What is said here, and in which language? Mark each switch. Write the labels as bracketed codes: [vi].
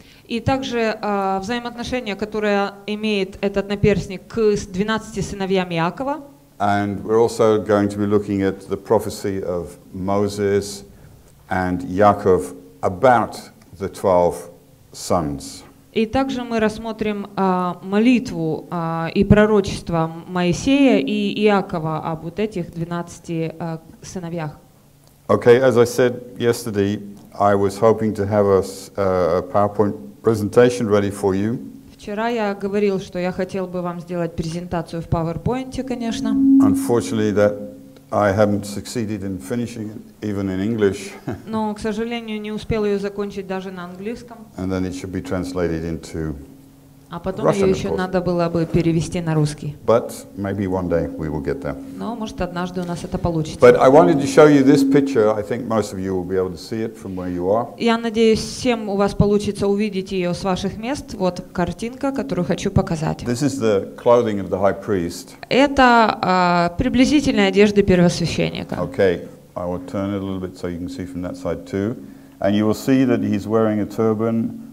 [ru] И также взаимоотношения, которые имеет этот наперсник к 12 сыновьям Иакова. [en] And we're also going to be looking at the prophecy of Moses and Yaakov about the 12 sons. [ru] И также мы рассмотрим молитву и пророчество Моисея и Иакова об вот этих 12 сыновьях. [en] Okay, as I said yesterday, I was hoping to have a PowerPoint presentation ready for you. [ru] Вчера я говорил, что я хотел бы вам сделать презентацию в PowerPoint, конечно. [en] Unfortunately, that I haven't succeeded in finishing it even in English. [ru] Но, к сожалению, не успел ее закончить даже на английском. [en] And then it should be translated into [ru] А потом ее еще надо было бы перевести на русский. [en] But maybe one day we will get there. [ru] Но, может, однажды у нас это получится. [en] But I wanted to show you this picture. I think most of you will be able to see it from where you are. [ru] Я надеюсь, всем у вас получится увидеть ее с ваших мест. Вот картинка, которую хочу показать. [en] This is the clothing of the high priest. [ru] Это приблизительная одежда первосвященника. [en] Okay, I will turn it a little bit so you can see from that side too, and you will see that he's wearing a turban.